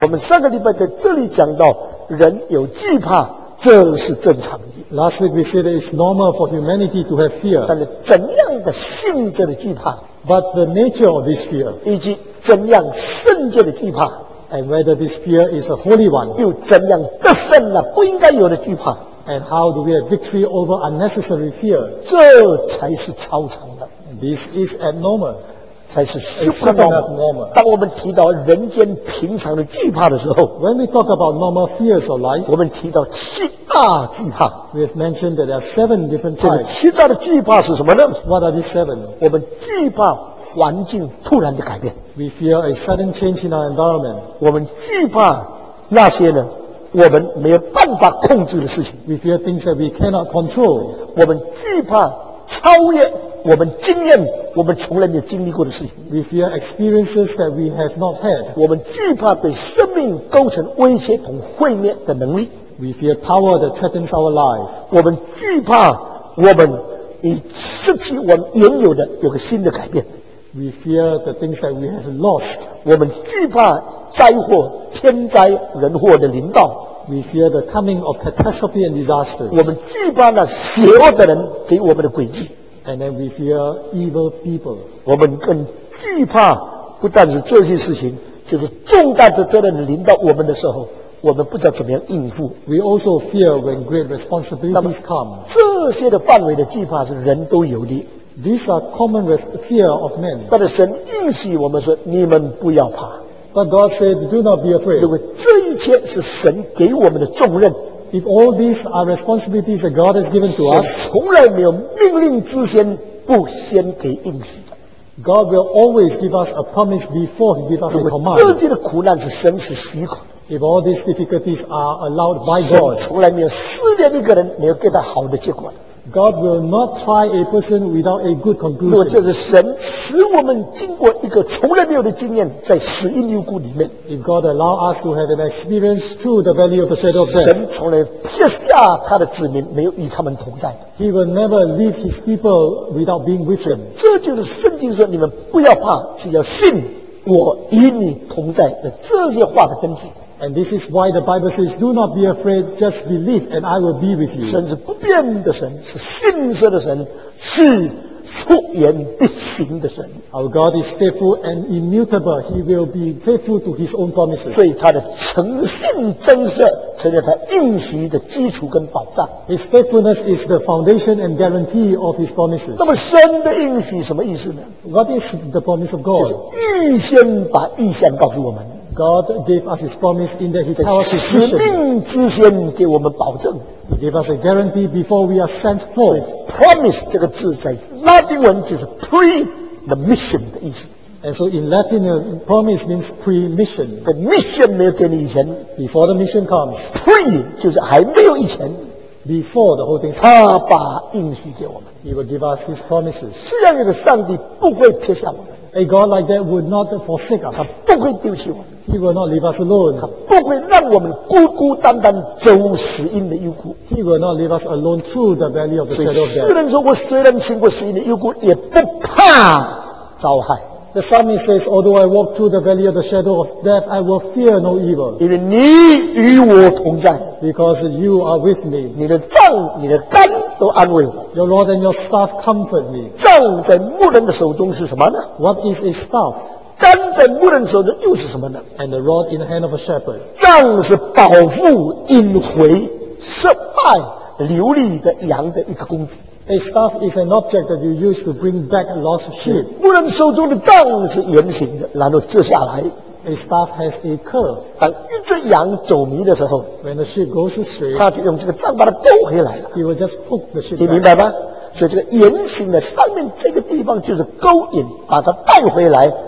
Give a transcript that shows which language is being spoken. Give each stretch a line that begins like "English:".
Chinese: 我们上个礼拜在这里讲到人有惧怕，这是正常的。
English: Last week we said that it's normal for humanity to have fear.
Chinese: 但是怎样的性质的惧怕
English: ？But the nature of this fear.
Chinese: 以及怎样圣洁的惧怕
English: ？And whether this fear is a holy one.
Chinese: 又怎样得胜了不应该有的惧怕
English: ？And how do we have victory over unnecessary fear?
Chinese: 这才是超常的。
English: This is abnormal.
Chinese: 才是 supernormal. 当我们提到人间平常的惧怕的时候
English: ，When we talk about normal fears of life，
Chinese: 我们提到七大惧怕。
English: We have mentioned that there are seven different types.
Chinese: 这个七大的惧怕是什么呢
English: ？What are these seven？
Chinese: 我们惧怕环境突然的改变。
English: We fear a sudden change in our environment.
Chinese: 我们惧怕那些呢，我们没有办法控制的事情。
English: We fear things that we cannot control.
Chinese: 我们惧怕超越我们经验，我们从来没有经历过的事情。
English: We fear experiences that we have not had.
Chinese: 我们惧怕对生命构成威胁同毁灭的能力。
English: We fear power that threatens our life.
Chinese: 我们惧怕我们已失去我们原有的，有个新的改变。
English: We fear the things that we have lost.
Chinese: 我们惧怕灾祸、天灾人祸的临到。
English: We fear the coming of catastrophe and disasters.
Chinese: 我们惧怕那邪恶的人给我们的诡计。
English: And then we fear evil people.
Chinese: 我们更惧怕不但是这些事情，就是重大的责任临到我们的时候，我们不知道怎么样应付。
English: We also fear when great responsibilities come.
Chinese: 这些的范围的惧怕是人都有的。
English: These are common fear of men.
Chinese: 但是神允许我们说，你们不要怕。
English: But God said, "Do not be afraid."
Chinese: 因为这一切是神给我们的重任。
English: If all these are responsibilities that God has given to us,
Chinese: 神从来没有命令之前不先给应许。
English: God will always give us a promise before He gives us a command.
Chinese: 这些的苦难是神是许可。
English: If all these difficulties are allowed by God,
Chinese: 神从来没有试炼一个人没有给他好的结果。
English: God will not try a person without a good conclusion.
Chinese: 这是神使我们经过一个从来没有的经验，在死荫幽谷里面。
English: If God allow us to have an experience through the valley of the shadow of death,
Chinese: 神从来撇下他的子民，没有与他们同在。
English: He will never leave his people without being with them.
Chinese: 这就是圣经说你们不要怕，只要信我与你同在的这些话的根据。
English: And this is why the Bible says, "Do not be afraid; just believe, and I will be with you."
Chinese: 神是不变的神，是信实的神，是出言必行的神。
English: Our God is faithful and immutable; He will be faithful to His own promises.
Chinese: 所以他的诚信真实，成了他应许的基础跟保障。
English: His faithfulness is the foundation and guarantee of His promises.
Chinese: 那么神的应许什么意思呢
English: ？What is the promise of God?
Chinese: 就是预先把意象告诉我们。
English: God gave us His promise in that He tells us His vision.
Chinese: 使命之前给我们保证。
English: He gave us a guarantee before we are sent forth.
Chinese: Promise 这个字在拉丁文就是
English: pre the mission
Chinese: 的意思。
English: And so in Latin, promise means pre-mission. The mission
Chinese: 没有给你以前。
English: Before the mission comes.
Chinese: Pre 就是还没有以前。
English: Before the whole thing.
Chinese: 他把应许给我们。
English: He will give us His promises.
Chinese: 这样一个上帝不会撇下我们。
English: A God like that would not forsake us.
Chinese: 他不会丢弃我们。
English: He will not leave us alone.
Chinese: 他不会让我们孤孤单单走死荫的幽谷。
English: He will not leave us alone through the valley of the shadow of death.
Chinese: 所以诗人说，我虽然经过死荫的幽谷，也不怕遭害。
English: The psalmist says, although I walk through the valley of the shadow of death, I will fear no evil.
Chinese: 因为你与我同在。
English: Because you are with me.
Chinese: 你的杖、你的竿都安慰我。
English: Your rod and your staff comfort me.
Chinese: 杖在牧人的手中是什么呢
English: ？What is a staff?
Chinese: 竿在牧人手中又是什么呢
English: ？And the rod in the hand of a shepherd.
Chinese: 杖是保护、引回失败、流离的羊的一个工具。
English: A staff is an object that you use to bring back lost sheep.
Chinese: 牧人手中的杖是圆形的，然后折下来。
English: A staff has a curve.
Chinese: 当一只羊走迷的时候
English: ，When the sheep goes astray,
Chinese: 他就用这个杖把它勾回来了。
English: He will just hook the sheep.
Chinese: 你明白吗？所以这个圆形的上面这个地方就是勾引，把它带回来。